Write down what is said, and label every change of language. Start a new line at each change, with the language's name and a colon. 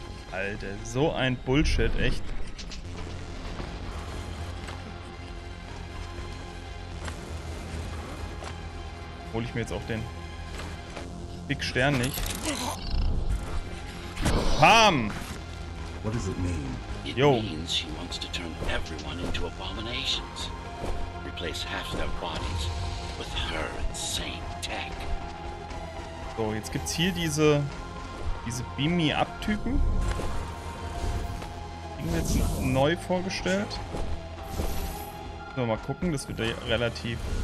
German: Alter, so ein Bullshit, echt. Hol ich mir jetzt auch den Big Stern nicht. Pam!
English: What does it mean? It means she wants to turn everyone into abominations. Replace half their bodies with her insane tech.
German: So, jetzt gibt's hier diese Beam Me Up Typen. Kriegen wir jetzt neu vorgestellt. Müssen wir mal gucken, das wird relativ.